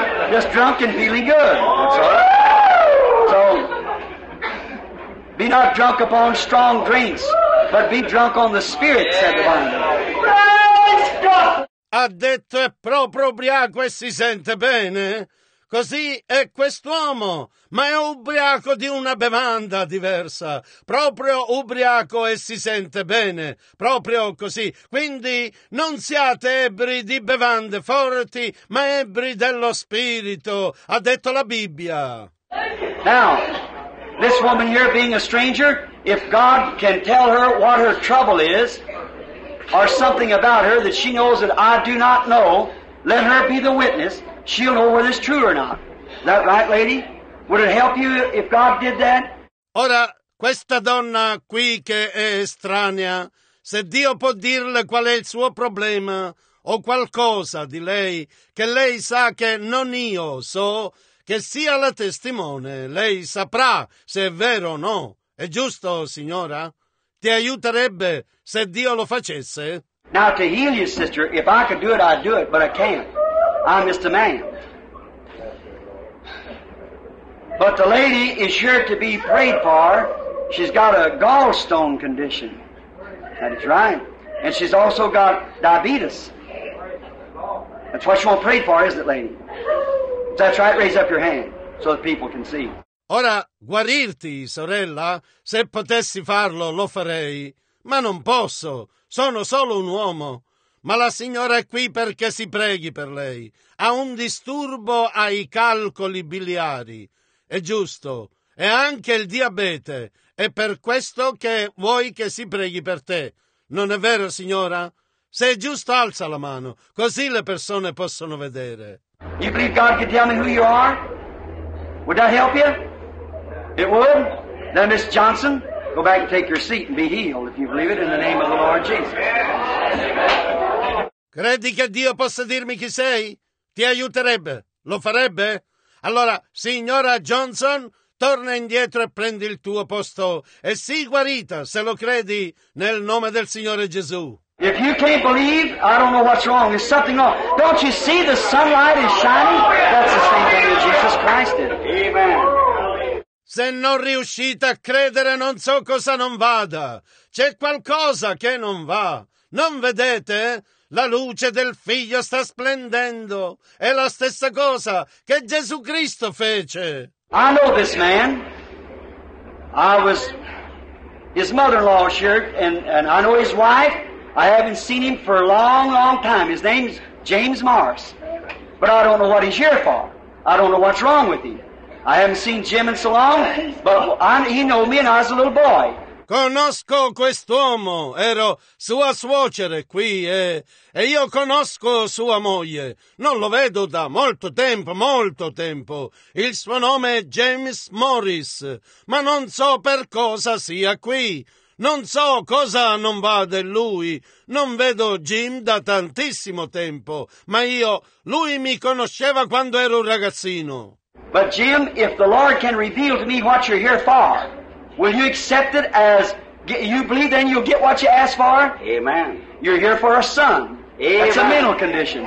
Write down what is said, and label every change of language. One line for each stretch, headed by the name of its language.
English: Just drunk and feeling good. That's all right. So, be not drunk upon strong drinks, but be drunk on the Spirit, said the Bible. Praise God!
Italian: Ha detto è proprio ubriaco e si sente bene. Così è quest'uomo, ma è ubriaco di una bevanda diversa. Proprio ubriaco e si sente bene, proprio così. Quindi non siate ebri di bevande forti, ma ebri dello spirito, ha detto la Bibbia.
English: Now, this woman here being a stranger, if God can tell her what her trouble is, or something about her that she knows that I do not know, let her be the witness. She'll know whether it's true or not. Is that right, lady? Would it help you if God did that?
Italian: Ora, questa donna qui che è estranea, se Dio può dirle qual è il suo problema o qualcosa di lei che lei sa che non io so, che sia la testimone, lei saprà se è vero o no. È giusto, signora? Ti aiuterebbe se Dio lo facesse?
English: Now, to heal you, sister, if I could do it, I'd do it, but I can't. I'm just a man. But the lady is here to be prayed for. She's got a gallstone condition. That is right. And she's also got diabetes. That's what she wants prayed for, isn't it, lady? If that's right, raise up your hand so that people can see.
Italian: Ora, guarirti, sorella, se potessi farlo, lo farei. Ma non posso. Sono solo un uomo. Ma la signora è qui perché si preghi per lei. Ha un disturbo ai calcoli biliari. È giusto. E anche il diabete. È per questo che vuoi che si preghi per te. Non è vero, signora? Se è giusto, alza la mano. Così le persone possono vedere.
English: You believe God can tell me who you are? Would that help you? It would? Then, Miss Johnson, go back and take your seat and be healed if you believe it in the name of the Lord Jesus.
Italian: Credi che Dio possa dirmi chi sei? Ti aiuterebbe? Lo farebbe? Allora, signora Johnson, torna indietro e prendi il tuo posto e sii guarita, se lo credi, nel nome del Signore Gesù.
English: If you can't believe, I don't know what's wrong. There's something wrong. Don't you see the sunlight is shining? That's the same thing that Jesus Christ did. Amen.
Italian: Se non riuscite a credere, non so cosa non vada. C'è qualcosa che non va. Non vedete? La luce del Figlio sta splendendo. È la stessa cosa che Gesù Cristo fece.
English: I know this man. I was his mother-in-law here, and I know his wife. I haven't seen him for a long, long time. His name's James Morris. But I don't know what he's here for. I don't know what's wrong with him. I haven't seen Jim in so long, but he knew me and I was a little boy.
Italian: Conosco quest'uomo, ero sua suocera qui e io conosco sua moglie. Non lo vedo da molto tempo, molto tempo. Il suo nome è James Morris, ma non so per cosa sia qui. Non so cosa non va di lui. Non vedo Jim da tantissimo tempo, ma io, lui mi conosceva quando ero un ragazzino.
English: But Jim, if the Lord can reveal to me what you're here for, will you accept it as you believe then you'll get what you ask for? Amen. You're here for a son. Amen. That's a mental condition.